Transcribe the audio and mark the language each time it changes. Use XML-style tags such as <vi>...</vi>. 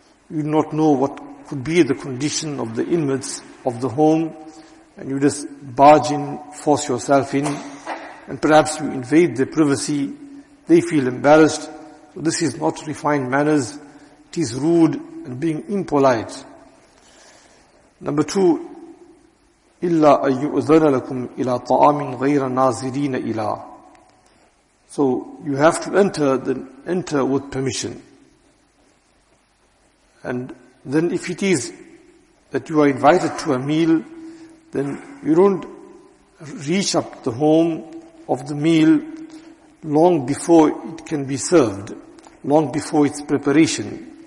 <en>You do not know what could be the condition of the inmates of the home, and you just barge in, force yourself in, and perhaps you invade their privacy. They feel embarrassed. So this is not refined manners. It is rude and being impolite. Number two,</en> <ar>إِلَّا أَن يُؤْذَنَ لَكُمْ إِلَىٰ طَعَامٍ غَيْرَ نَازِرِينَ إِلَىٰ.</ar> <en>So you have to enter, then enter with permission. And then if it is that you are invited to a meal, then you don't reach up the home of the meal long before it can be served, long before its preparation.</en>